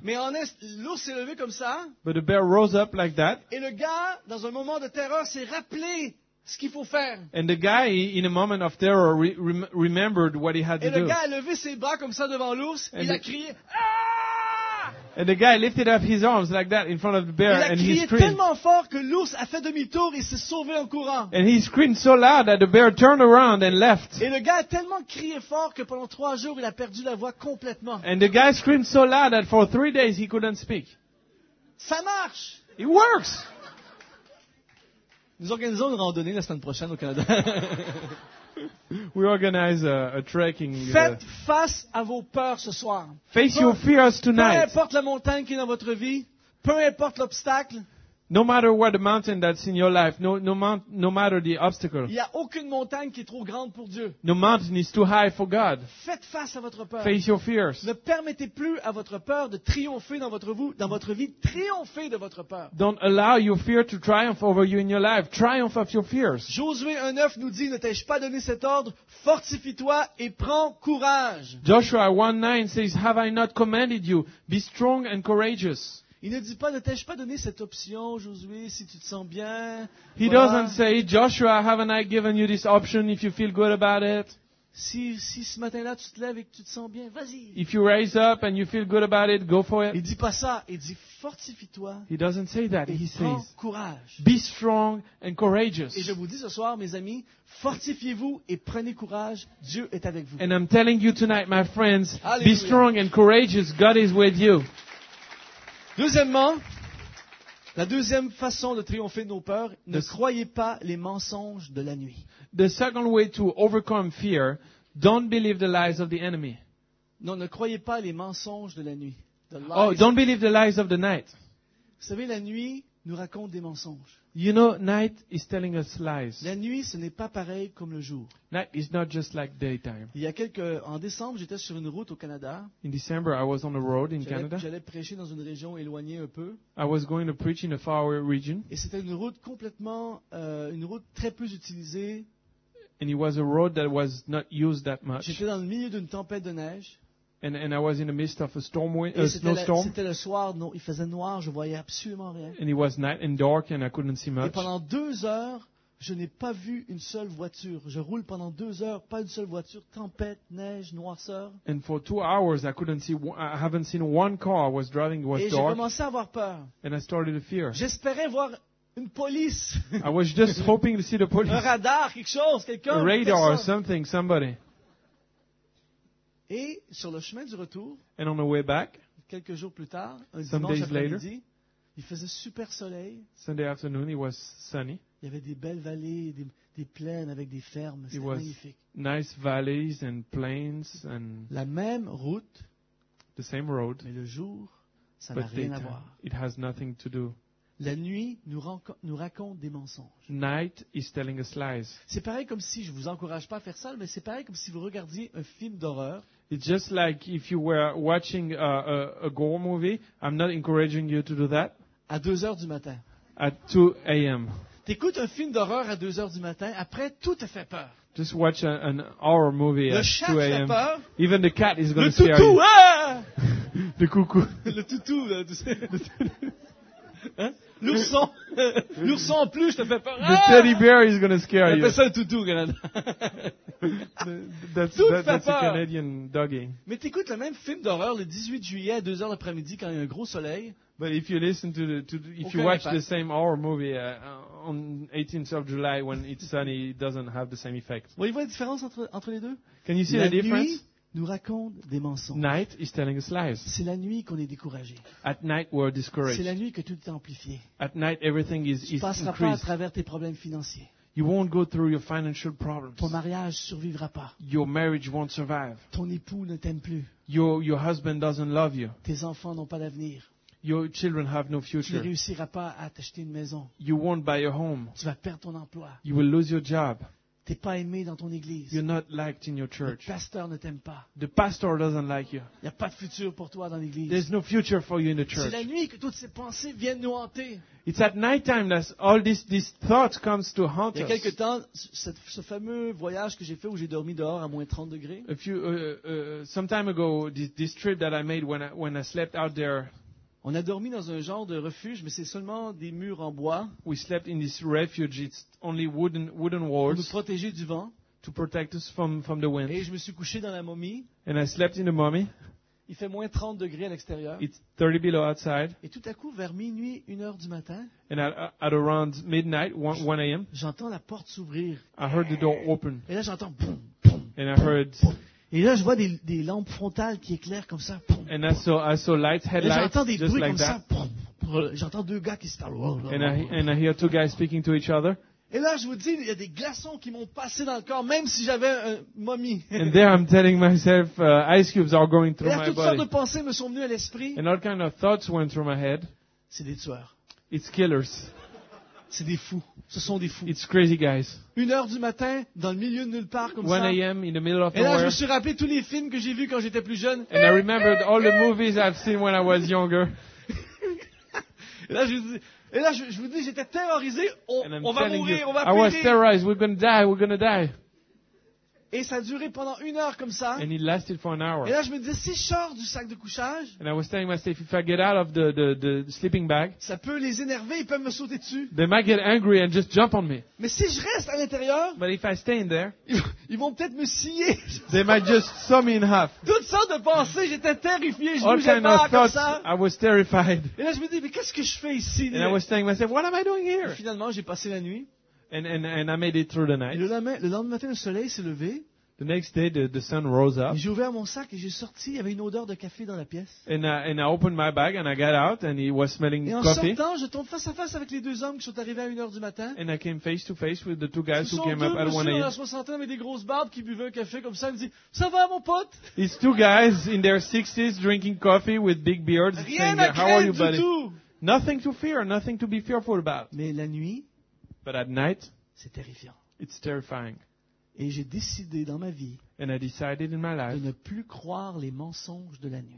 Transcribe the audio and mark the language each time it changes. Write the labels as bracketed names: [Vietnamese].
[French] Mais honnête, l'ours s'est levé comme ça. [English] But the bear rose up like that. [French] Et le gars, dans un moment de terreur, s'est rappelé ce qu'il faut faire. [English] And the guy, in a moment of terror, remembered what he had [French] et [English] to do. [French] Et le gars a levé ses bras comme ça devant l'ours. Et il a crié, ah! [English] And the guy lifted up his arms like that in front of the bear and he screamed. [French] Il a crié tellement fort que l'ours a fait demi-tour et s'est sauvé en courant. [English] And he screamed so loud that the bear turned around and left. [French] Et le gars a tellement crié fort que pendant trois jours il a perdu la voix complètement. [English] And the guy screamed so loud that for three days he couldn't speak. [French] Ça marche. [English] It works. [French] Nous organisons une randonnée la semaine prochaine au Canada. [English] We organize a trekking. [French] Faites face à vos peurs ce soir. [English] Face your fears tonight. [French] Peu importe la montagne qui est dans votre vie, peu importe l'obstacle. [English] No matter what the mountain that's in your life, no matter the obstacle. [French] Il y a aucune montagne qui est trop grande pour Dieu. [English] No mountain is too high for God. [French] Faites face à votre peur. [English] Face your fears. [French] Ne permettez plus à votre peur de triompher dans votre vie. Triomphez de votre peur. [English] Don't allow your fear to triumph over you in your life. Triumph of your fears. [French] Josué 1:9 nous dit, ne t'ai-je pas donné cet ordre? Fortifie-toi et prends courage. [English] Joshua 1:9 says, have I not commanded you? Be strong and courageous. [French] Il ne dit pas, ne t'ai-je pas donné cette option, Josué, si tu te sens bien? [English] He doesn't say, Joshua, haven't I given you this option if you feel good about it? [French] Si ce matin-là tu te lèves et que tu te sens bien, vas-y. [English] If you rise up and you feel good about it, go for it. [French] Il dit pas ça. Il dit fortifie-toi. [English] He doesn't say that. He says, [French] prends courage. [English] Be strong and courageous. [French] Et je vous dis ce soir, mes amis, fortifiez-vous et prenez courage. Dieu est avec vous. [English] And I'm telling you tonight, my friends, [French] Alléluia. [English] Be strong and courageous. God is with you. [French] Deuxièmement, la deuxième façon de triompher de nos peurs, ne croyez pas les mensonges de la nuit. [English] The second way to overcome fear, don't believe the lies of the enemy. [French] Non, ne croyez pas les mensonges de la nuit. [English] Don't believe the lies of the night. [French] Vous savez, la nuit nous raconte des mensonges. [English] You know, night is telling us lies. [French] La nuit, ce n'est pas pareil comme le jour. [English] Night is not just like daytime. [French] En décembre, j'étais sur une route au Canada. [English] In December, I was on a road in Canada. [French] J'allais prêcher dans une région éloignée un peu. [English] I was going to preach in a faraway region. [French] Et c'était une route complètement, une route très peu utilisée. [English] And it was a road that was not used that much. [French] J'étais dans le milieu d'une tempête de neige. [English] And I was in the midst of a storm wind, a snowstorm. [French] C'était le soir, non, il faisait noir, je voyais absolument rien. [English] And it was night and dark and I couldn't see much. [French] Et pendant deux heures, je n'ai pas vu une seule voiture. Je roule pendant deux heures, pas une seule voiture, tempête, neige, noirceur. [English] And for two hours, I haven't seen one car. I was driving, it was [French] dark. Et j'ai commencé à avoir peur. [English] And I started to fear. [French] J'espérais voir une police. [English] I was just hoping to see the police. [French] Un radar, quelque chose, quelqu'un. [English] A radar, or something, somebody. [French] Et sur le chemin du retour, [English] and on the way back, [French] quelques jours plus tard, un dimanche après-midi, il faisait super soleil. [English] Sunday afternoon, it was sunny. [French] Il y avait des belles vallées, des plaines avec des fermes. C'était magnifique. [English] Nice valleys and plains and [French] la même route, [English] the same road, [French] mais le jour, ça n'a rien à voir. [English] It has nothing to do. [French] La nuit nous raconte des mensonges. [English] Night is telling us lies. [French] C'est pareil comme si, je ne vous encourage pas à faire ça, mais c'est pareil comme si vous regardiez un film d'horreur. [English] It's just like if you were watching a gore movie. I'm not encouraging you to do that. [French] À 2 heures du matin. [English] At 2 a.m. [French] T'écoutes un film d'horreur à 2 heures du matin, après tout te fait peur. [English] Just watch an horror movie [French] le [English] at 2 a.m. [French] Le chat fait peur. [English] Even the cat is going [French] le [English] to scare [French] toutou, [English] you. Ah! [French] Le coucou. Le toutou. Le toutou. Hein? L'ourson, l'ourson en plus, je te fais peur. [English] The teddy bear is going to scare you. [French] Il appelle ça le toutou, Canada. [English] That's a Canadian doggy. [French] Mais t'écoutes le même film d'horreur le 18 juillet à 2h l'après-midi quand il y a un gros soleil. [English] But if you listen to the, if you watch the same horror movie on 18th of July when it's sunny, it doesn't have the same effect. [French] Vous voyez la différence entre les deux? [English] Can you see [French] la [English] the difference? [French] Nuit, nous raconte des mensonges. [English] Night is telling us lies. [French] C'est la nuit qu'on est découragé. [English] At night we're discouraged. [French] C'est la nuit que tout est amplifié. [English] At night everything is [French] increased. Tu passeras pas à travers tes problèmes financiers. [English] You won't go through your financial problems. [French] Ton mariage survivra pas. [English] Your marriage won't survive. [French] Ton époux ne t'aime plus. [English] Your husband doesn't love you. [French] Tes enfants n'ont pas d'avenir. [English] Your children have no future. [French] Tu ne réussiras pas à t'acheter une maison. [English] You won't buy a home. [French] Tu vas perdre ton emploi. [English] You will lose your job. [French] Tu n'es pas aimé dans ton église. [English] You're not liked in your church. [French] Le pasteur ne t'aime pas. [English] The pastor doesn't like you. [French] Il n'y a pas de futur pour toi dans l'église. [English] There's no future for you in the church. [French] C'est la nuit que toutes ces pensées viennent nous hanter. [English] It's at night time that all these thoughts come to haunt us. [French] Il y a quelque temps, ce fameux voyage que j'ai fait où j'ai dormi dehors à moins 30 degrés. [English] Some time ago, this trip that I made when I slept out there. [French] On a dormi dans un genre de refuge, mais c'est seulement des murs en bois. [English] We slept in this refuge. It's only wooden walls. [French] Pour nous protéger du vent. [English] To protect us from the wind. [French] Et je me suis couché dans la momie. [English] And I slept in the mummy. [French] Il fait moins 30 degrés à l'extérieur. [English] It's 30 below outside. [French] Et tout à coup, vers minuit, 1h du matin. [English] And at around midnight, 1 a.m. [French] J'entends la porte s'ouvrir. [English] I heard the door open. [French] Et là, j'entends. [English] And I heard. [French] Et là, je vois des lampes frontales qui éclairent comme ça. [English] And I saw lights, headlights, [French] j'entends des [English] just [French] bruits [English] like [French] comme [English] that. [French] Ça. J'entends deux gars qui se parlent. [English] And I hear two guys speaking to each other. [French] Et là, je vous dis, il y a des glaçons qui m'ont passé dans le corps, même si j'avais un mommy. [English] And there, I'm telling myself, ice cubes are going through [French] là, [English] my body. [French] Toutes sortes de pensées me sont venues à l'esprit. [English] And all kind of thoughts went through my head. [French] C'est des tueurs. [English] It's killers. [French] C'est des fous. Ce sont des fous. [English] It's crazy guys. [French] 1h du matin, dans le milieu de nulle part comme 1 ça. [English] 1 a.m. in the middle of [French] nowhere. Et là, je me suis rappelé tous les films que j'ai vus quand j'étais plus jeune. [English] And I remembered all the movies I've seen when I was younger. [French] Et là, je vous dis, j'étais terrorisé. On va mourir. [English] I was terrorized. We're gonna die. We're gonna die. [French] Et ça a duré pendant 1 heure comme ça. [English] And it lasted for an hour. [French] Et là, je me disais, si je sors du sac de couchage, [English] and I was telling myself, if I get out of the sleeping bag, [French] ça peut les énerver, ils peuvent me sauter dessus. [English] They might get angry and just jump on me. [French] Mais si je reste à l'intérieur, [English] but if I stay in there, [French] ils vont peut-être me scier. [English] They might just saw me in half. [French] Toutes sortes de pensées, j'étais terrifié, je bougeais pas comme [English] thoughts, [French] ça. [English] I was terrified. [French] Et là, je me dis, mais qu'est-ce que je fais ici? [English] And I was telling myself, what am I doing here? [French] Et finalement, j'ai passé la nuit. [English] And I made it through the night. [French] Et le lendemain matin, le soleil s'est levé. [English] The next day, the sun rose up. [French] J'ai ouvert mon sac et j'ai sorti. Il y avait une odeur de café dans la pièce. [English] And I opened my bag and I got out and it was smelling [French] et [English] coffee. [French] Et en sortant, je tombe face à face avec les deux hommes qui sont arrivés à 1h du matin. [English] And I came face to face with the two guys who came up at 1 a.m. [French] Ils sont deux monsieur dans la soixantaine avec des grosses barbes qui buvaient un café comme ça. Ils me disent, ça va mon pote? [English] It's two guys in their 60s drinking coffee with big beards. [French] Rien [English] saying, [French] à craindre [English] how are you, buddy? [French] Du tout. [English] Nothing to fear, nothing to be fearful about. [French] Mais la nuit. [English] But at night, [French] c'est terrifiant. [English] It's terrifying. [French] Et j'ai décidé dans ma vie, [English] and I decided in my life, [French] de ne plus croire les mensonges de la nuit.